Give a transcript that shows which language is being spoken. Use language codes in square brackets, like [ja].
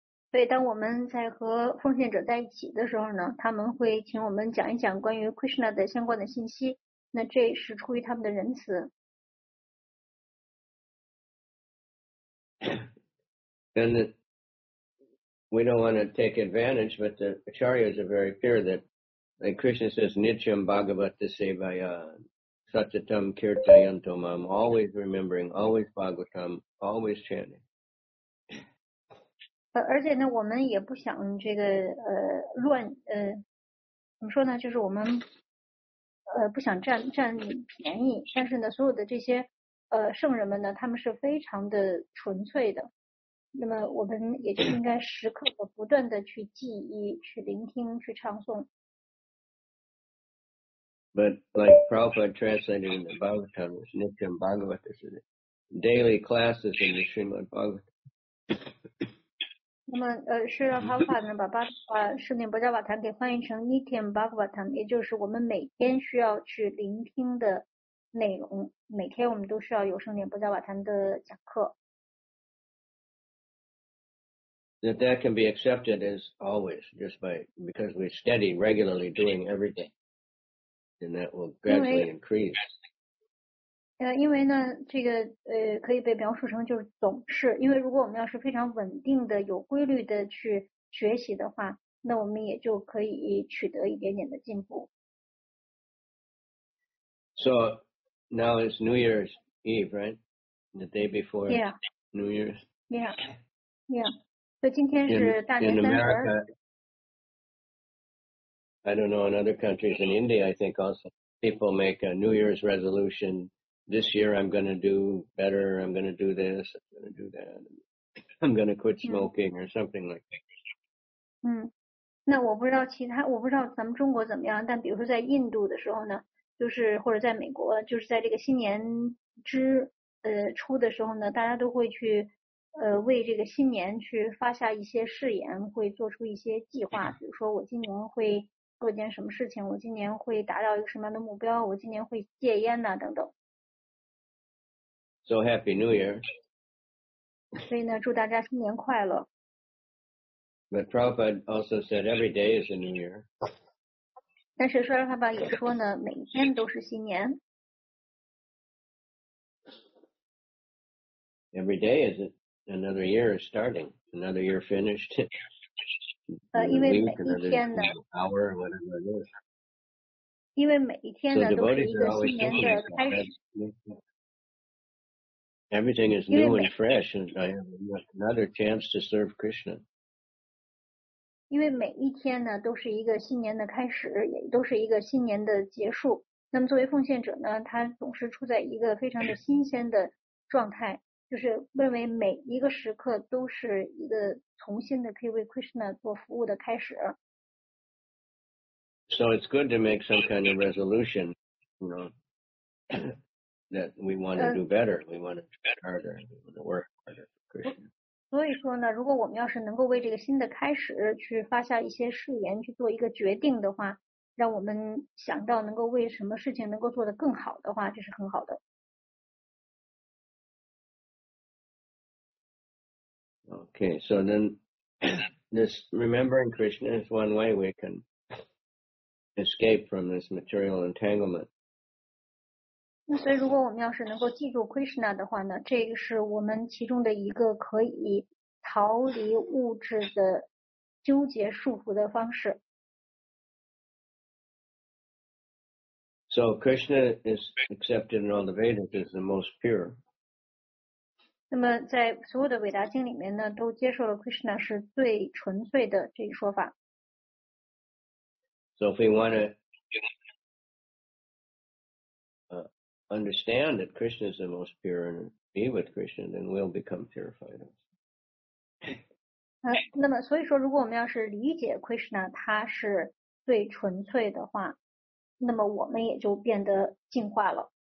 [zh] 所以当我们在和奉献者在一起的时候呢，他们会请我们讲一讲关于 Krishna 的相关的信息，那这是出于他们的仁慈。 [en] And the, we don't want to take advantage, but the Acharyas are very clear that, like Krishna says, Nityam Bhagavata Sevaya, Satyatam Kirtayantomam, always remembering, always Bhagavatam, always chanting. [zh] 而且呢，我们也不想这个乱怎么说呢？就是我们不想占便宜，但是呢，所有的这些圣人们呢，他们是非常的纯粹的。那么我们也就应该时刻的不断的去记忆、去聆听、去唱诵。 [en] But like Prabhupada translating the Bhagavatam, Nityam Bhagavata, daily classes in the Srimad Bhagavatam. [zh] 那么是让他把呢把巴把圣典博迦瓦坛给翻译成 Nityam Bhagavatam， 也就是我们每天需要去聆听的内容，每天我们都需要有圣典博迦瓦坛的讲课。 [en] That can be accepted as always, just by because we study regularly doing everything, and that will gradually increase. [zh] 因为呢，这个可以被描述成就是总是，因为如果我们要是非常稳定的、有规律的去学习的话，那我们也就可以取得一点点的进步。 [en] So now it's New Year's Eve, right? The day before New Year's. Yeah. So today is 大年三十。 I don't know in other countries. In India, I think also people make a New Year's resolution. This year I'm going to do better, I'm going to do this, I'm going to do that, I'm going to quit smoking or something like that. [zh] 那我不知道其他，我不知道咱们中国怎么样，但比如说在印度的时候呢，就是或者在美国，就是在这个新年之初的时候呢，大家都会去为这个新年去发下一些誓言，会做出一些计划，比如说我今年会做件什么事情，我今年会达到一个什么样的目标，我今年会戒烟呢等等。 [en] So happy New Year. [zh] 所以呢，祝大家新年快乐。 [en] But Prabhupada also said every day is a new year. [zh] 但是说实话吧，也说呢，每一天都是新年。 [en] Every day is another year is starting, another year finished. [zh] 因为每一天呢 [en] ，hour or whatever it is. [zh] 因为每一天呢，都是一个新年的开始。 [en] Everything is new and fresh, and I have another chance to serve Krishna. [zh] 因为每一天呢，都是一个新年的开始，也都是一个新年的结束。那么作为奉献者呢，他总是处在一个非常的新鲜的状态，就是认为每一个时刻都是一个重新的可以为 Krishna 做服务的开始。 [en] So it's good to make some kind of resolution, you know. That we want to do better, we want to try harder, we want to work harder for Krishna. [zh] 所以说呢，如果我们要是能够为这个新的开始去发下一些誓言，去做一个决定的话，让我们想到能够为什么事情能够做得更好的话，这是很好的。 [en] Okay, so then this remembering Krishna is one way we can escape from this material entanglement. [zh] 所以如果我们要是能够记住 Krishna 的话呢，这个是我们其中的一个可以逃离物质的纠结束缚的方式。 [en] So Krishna is accepted in all the Vedas as the most pure. [zh] 那么在所有的伟达经里面呢，都接受了 Krishna 是最纯粹的这一说法。 [en] So if we want to... understand that Krishna is the most pure and be with Krishna, then we'll become purified. [zh] 那么所以说，如果我们要是理解 Krishna 他是最纯粹的话，那么我们也就变得净化了。